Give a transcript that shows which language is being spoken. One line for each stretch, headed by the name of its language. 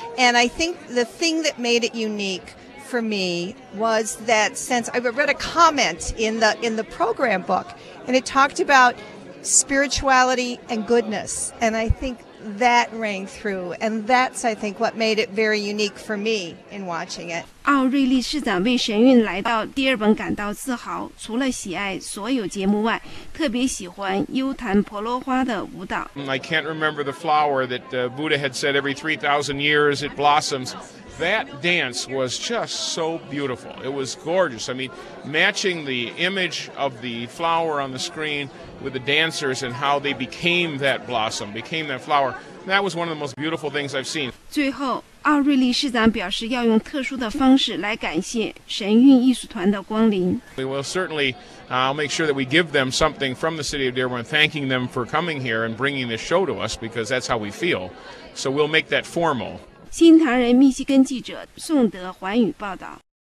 English: And I think the thing that made it unique for me was that sense, I read a comment in the program book, and it talked about spirituality and goodness. And I think that rang through, and that's, I think, what made it very unique for me in watching it.
Chinese: 奥瑞利市长为神韵来到第二本感到自豪，除了喜爱所有节目外，特别喜欢优檀婆罗花的舞蹈。
English: I can't remember the flower that Buddha had said every 3,000 years it blossoms. That dance was just so beautiful. It was gorgeous. I mean, matching the image of the flower on the screen with the dancers and how they became that blossom, became that flower. That was one of the most beautiful things I've seen.
Chinese: 最后奥瑞利市长表示要用特殊的方式来感谢神韵艺术团的光临。
English: We will certainly make sure that we give them something from the city of Dearborn, thanking them for coming here and bringing this show to us, because that's how we feel. So we'll make that formal.
Chinese: 新唐人密西根记者宋德环宇报道。